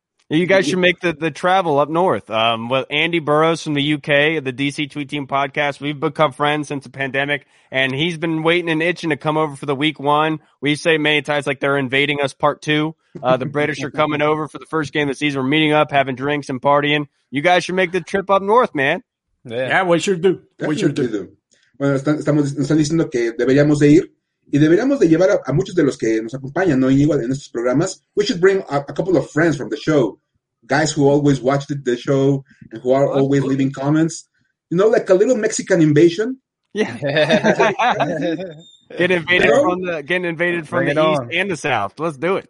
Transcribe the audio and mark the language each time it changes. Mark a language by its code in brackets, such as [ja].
[en] You guys should make the travel up north. With Andy Burrows from the UK, the DC Tweet Team podcast, we've become friends since the pandemic, and he's been waiting and itching to come over for the week one. We say many times like they're invading us part two. The British are coming over for the first game of the season. We're meeting up, having drinks and partying. You guys should make the trip up north, man. Yeah we should do. Definitely we should do. [es] Bueno, están diciendo que deberíamos de ir y deberíamos de llevar a muchos de los que nos acompañan, ¿no? Iñigo, en estos programas. [en] We should bring a couple of friends from the show, guys who always watched the show and who are always leaving comments. You know, like a little Mexican invasion. Yeah. getting invaded from the east and the south. Let's do it.